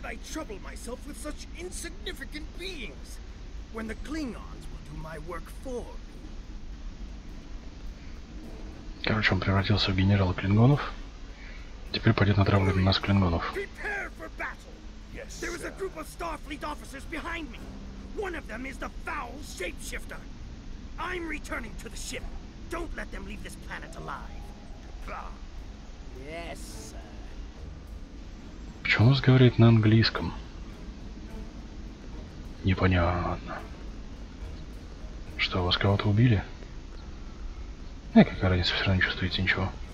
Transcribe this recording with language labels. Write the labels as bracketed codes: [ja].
[en] Trouble myself with such insignificant beings when the Klingons will do my work for me. [ru] Короче, он превратился в генерала Клингонов. Теперь пойдет на травлю на нас Клингонов. [en] Prepare for battle. Yes. There is a group of Starfleet officers behind me. One of them is the foul shapeshifter. I'm returning to the ship. Don't let them leave this planet alive. Bah. Yes. [ru] Почему он разговаривает на английском? Непонятно. Что, вас кого-то убили? Эх, какая разница, все равно не чувствуете ничего.